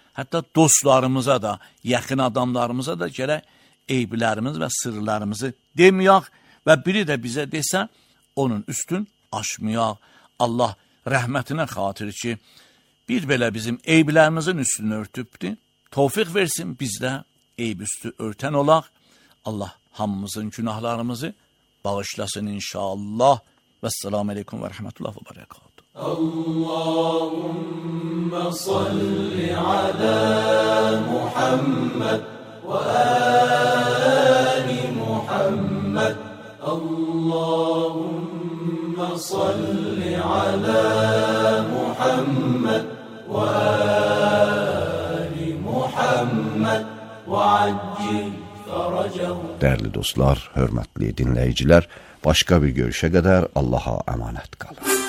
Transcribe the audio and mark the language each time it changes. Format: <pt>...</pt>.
<az>Hətta dostlarımıza da, yaxın adamlarımıza da gərək eybilərimiz və sırrlarımızı deməyək və biri də bizə desə, onun üstün aşmayaq. Allah rəhmətinə xatir ki, bir belə bizim eyblərimizin üstünü örtübdür. Tovfiq versin, biz də eyb üstü örtən olaq. Allah hamımızın günahlarımızı bağışlasın inşallah.</az> <ar>Və səlamu aleykum və rəhmətullah və bərəkatu. Allahumma salli alə Muhammed və ali Muhammed. Allahumma صل على محمد وآل محمد وعجل فرجه.</ar> <az>Dəyərli dostlar, hörmətli dinləyicilər, başqa bir görüşə qədər Allaha əmanət qalın.</az>